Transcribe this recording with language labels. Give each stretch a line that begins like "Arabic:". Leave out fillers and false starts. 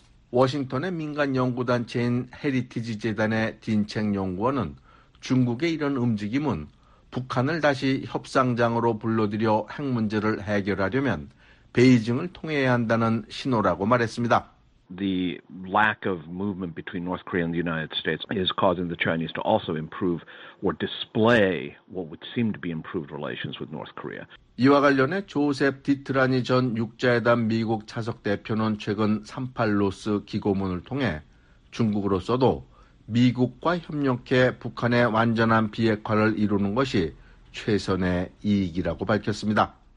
Korean: 워싱턴의 민간연구단체인 헤리티지 재단의 딘챙 연구원은 중국의 이런 움직임은 북한을 다시 협상장으로 불러들여 핵 문제를 해결하려면 베이징을 통해야 한다는 신호라고 말했습니다.
English: The lack of movement between North Korea and the United States is causing the Chinese to also improve or display what would seem to be improved relations with North Korea.
Korean: 이와 관련해 조셉 디트라니 전 육자회담 미국 차석 대표는 최근 38로스 기고문을 통해 중국으로서도 미국과 협력해 북한의 완전한 비핵화를 이루는 것이 최선의 이익이라고 밝혔습니다.